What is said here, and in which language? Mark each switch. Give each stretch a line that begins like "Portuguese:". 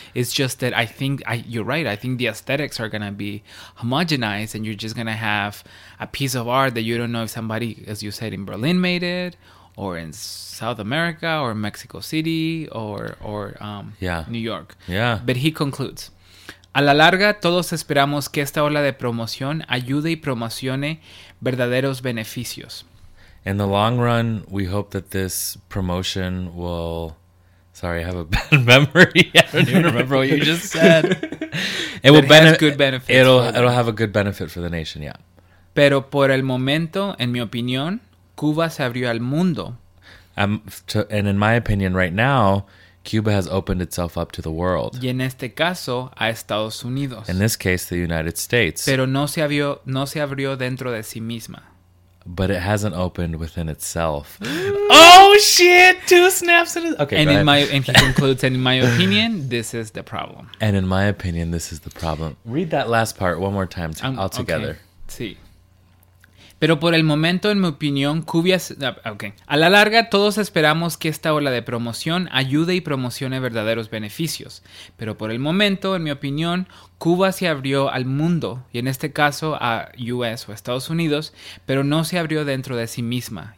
English: It's just that I think the aesthetics are going to be homogenized and you're just going to have a piece of art that you don't know if somebody, as you said, in Berlin made it, or in South America, or Mexico City, or New York. Yeah. But he concludes.
Spanish: A la larga, todos esperamos que esta ola de promoción ayude y promocione verdaderos beneficios.
English: In the long run, we hope that this promotion will... Sorry, I have a bad memory. I don't even remember what you just said. It will have good benefits. It'll have a good benefit for the nation, yeah.
Spanish: Pero por el momento, en mi opinión... Cuba se abrió al mundo.
English: And in my opinion, right now, Cuba has opened itself up to the world.
Spanish: Y en este caso, a Estados Unidos.
English: In this case, the United States.
Spanish: Pero no se abrió dentro de sí misma.
English: But it hasn't opened within itself. Oh, shit! Two snaps in a... Okay, and he concludes, and in my opinion, this is the problem. And in my opinion, this is the problem. Read that last part one more time, all together. Okay. Sí.
Spanish: Pero por el momento, en mi opinión, a la larga, todos esperamos que esta ola de promoción ayude y promocione verdaderos beneficios. Pero por el momento, en mi opinión, Cuba se abrió al mundo, y en este caso a US o Estados Unidos, pero no se abrió dentro de sí misma.